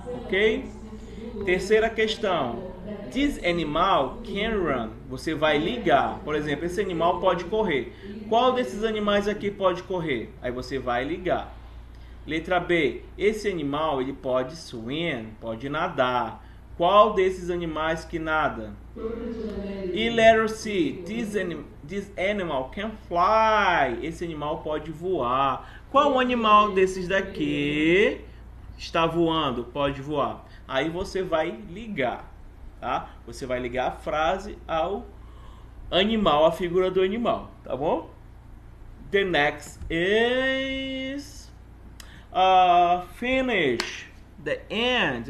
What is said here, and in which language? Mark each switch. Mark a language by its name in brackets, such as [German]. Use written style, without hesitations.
[English] Ok? [Portuguese] Terceira questão. [English] This animal can run. [Portuguese] Você vai ligar. Por exemplo, esse animal pode correr. Qual desses animais aqui pode correr? Aí você vai ligar. Letra B. Esse animal, ele pode swim, pode nadar. Qual desses animais que nada? [English] E letter C, this animal can fly. [Portuguese] Esse animal pode voar. Qual animal desses daqui está voando? Pode voar. Aí você vai ligar, tá? Você vai ligar a frase ao animal, a figura do animal, tá bom? [English] The next is finish. The end.